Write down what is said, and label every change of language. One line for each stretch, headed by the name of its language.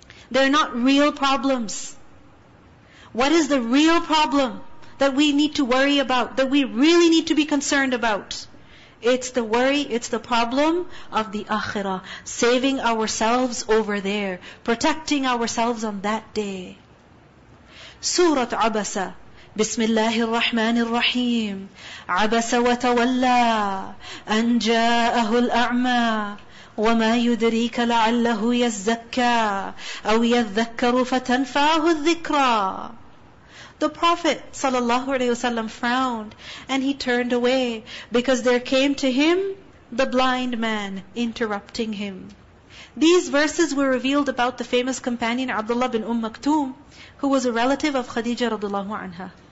English: They're not real problems. What is the real problem that we need to worry about, that we really need to be concerned about? It's the worry, it's the problem of the akhirah. Saving ourselves over there. Protecting ourselves on that day. Surah Abasa.
Arabic: بسم الله الرحمن الرحيم عبس وتولى أن جاءه الأعمى وما يدريك لعله يزكى أو يذكر فتنفعه الذكرى.
English: The Prophet sallallahu alaihi wasallam frowned and he turned away because there came to him the blind man interrupting him. These verses were revealed about the famous companion Abdullah bin Umm Maktum, who was a relative of Khadija radhiallahu anha.